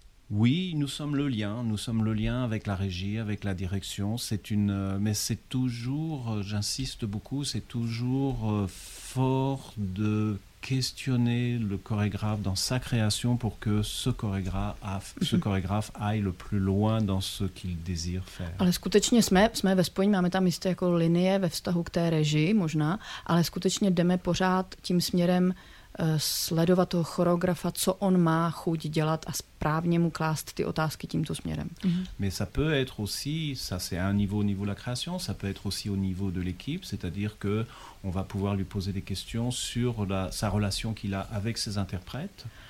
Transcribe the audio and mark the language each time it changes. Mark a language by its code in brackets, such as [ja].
[fr] Oui, nous sommes le lien avec la régie, avec la direction, mais c'est toujours, j'insiste beaucoup, c'est toujours fort de questionner le chorégraphe dans sa création pour que ce chorégraphe aille le plus loin dans ce qu'il désire faire. [cs] Ale skutečně jsme ve spojení, máme tam jisté jako linie ve vztahu k té režii možná, ale skutečně jdeme pořád tím směrem sledovat toho choreografa, co on má chuť dělat a správně mu klást ty otázky tímto směrem. [fr] Mais ça peut être aussi, ça c'est un niveau de la création, ça peut être aussi au niveau de l'équipe, c'est-à-dire que on va pouvoir lui poser des questions sur sa relation qu'il a avec ses interprètes.